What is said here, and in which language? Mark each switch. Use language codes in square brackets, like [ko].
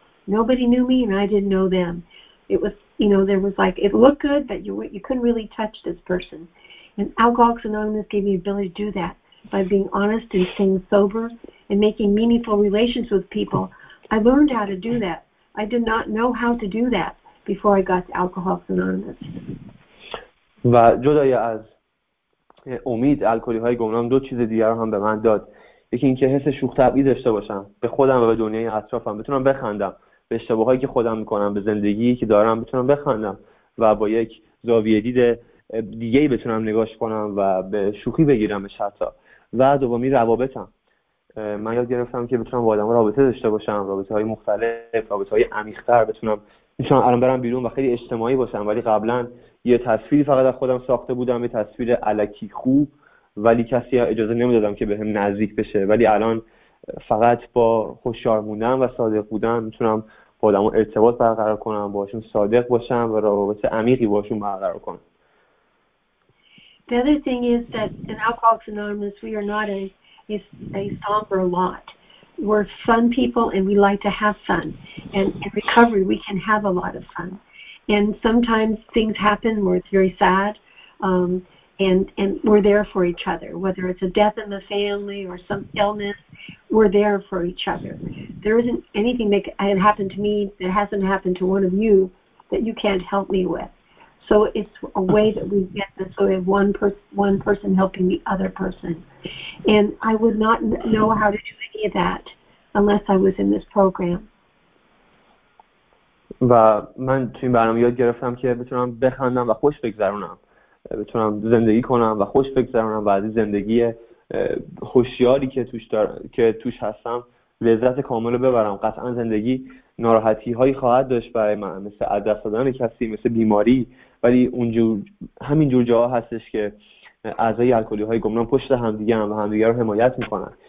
[en] Nobody knew me and I didn't know them. It was, you know, there was like, it looked good, but you couldn't really touch this person. And Alcoholics Anonymous gave me the ability to do that by being honest and staying sober and making meaningful relations with people. I learned how to do that. I did not know how to do that before I got to Alcoholics Anonymous. [fa] و جدای از امید، الکلی‌های گمنام دو چیز دیگر رو هم به من داد. یکی اینکه حس شوخ‌طبعی داشته باشم به خودم و به دنیای اطرافم، بتونم بخندم به اشتباهایی که خودم میکنم، به زندگی که دارم بتونم بخندم و با یک زاویه دید دیگه‌ای بتونم نگاش کنم و به شوخی بگیرم شتا. و دومی روابطم، من یاد گرفتم که بتونم با آدم رابطه داشته باشم، رابطه های مختلف، رابطه های عمیق‌تر بتونم. میتونم الان برم بیرون و خیلی اجتماعی باشم، ولی قبلا یه تصویری فقط از خودم ساخته بودم، یه تصویر الکی خوب، ولی کسی اجازه نمیدادم که بهم نزدیک بشه. ولی الان فقط با هوشیار موندن و صادق بودن میتونم با آدم ارتباط برقرار کنم، باشون صادق باشم و روابط عمیقی باشون برقرار کنم. [en] The other thing is that in Alcoholics Anonymous we are not a somber lot. We're fun people and we like to have fun. And in recovery we can have a lot of fun. And sometimes things happen where it's very sad, and we're there for each other. Whether it's a death in the family or some illness, we're there for each other. There isn't anything that had happened to me that hasn't happened to one of you that you can't help me with. So it's a way that we get this, so we have one person helping the other person. And I would not know how to do any of that unless I was in this program. [fa] و من توی این برنامه یاد گرفتم که بتونم بخندم و خوش بگذرونم، بتونم زندگی کنم و خوش بگذرونم و از زندگی هوشیاری که توش هستم لذت کامل رو ببرم. قطعا زندگی ناراحتی هایی خواهد داشت برای من، مثل از دست دادن کسی، مثل بیماری، ولی اونجور همین جور جاها هستش که اعضای الکلی های گمنام پشت هم دیگه هم و هم دیگه رو حمایت میکنن.